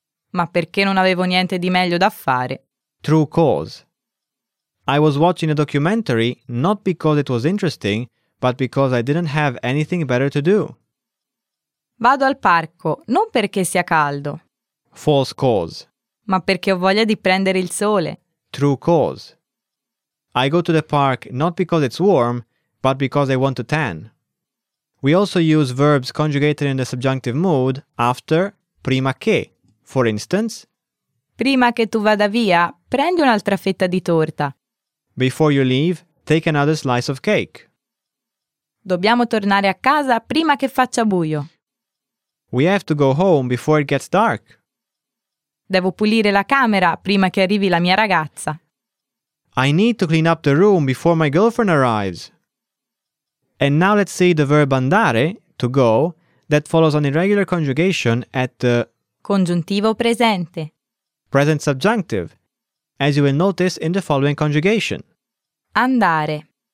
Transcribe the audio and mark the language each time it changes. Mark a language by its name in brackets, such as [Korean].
[Italian] Ma perché non avevo niente di meglio da fare. [English] True cause. I was watching a documentary not because it was interesting, but because I didn't have anything better to do. [Italian] Vado al parco, non perché sia caldo. [English] False cause. [Italian] Ma perché ho voglia di prendere il sole. [English] True cause. I go to the park not because it's warm, but because I want to tan. We also use verbs conjugated in the subjunctive mood after prima che. For instance, [Italian] prima che tu vada via, prendi un'altra fetta di torta. [English] Before you leave, Take another slice of cake. [Italian] Dobbiamo tornare a casa prima che faccia buio. [English] We have to go home before it gets dark. [Italian] Devo pulire la camera prima che arrivi la mia ragazza. [English] I need to clean up the room before my girlfriend arrives. And now let's see the verb andare, to go, that follows an irregular conjugation at the [Italian] congiuntivo presente. [English] Present subjunctive, as you will notice in the following conjugation. [Italian] Andare.